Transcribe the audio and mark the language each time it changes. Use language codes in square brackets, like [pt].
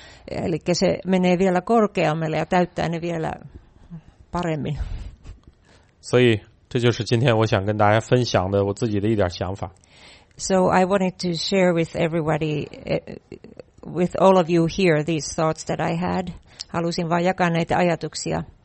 [fi] Eli se menee vielä korkeammalle ja täyttää ne vielä paremmin. [zh] 所以这就是今天我想跟大家分享的我自己的一点想法。 [en] So I wanted to share with everybody. With all of you here, these thoughts that I had, [fi] halusin vain jakaa näitä ajatuksia.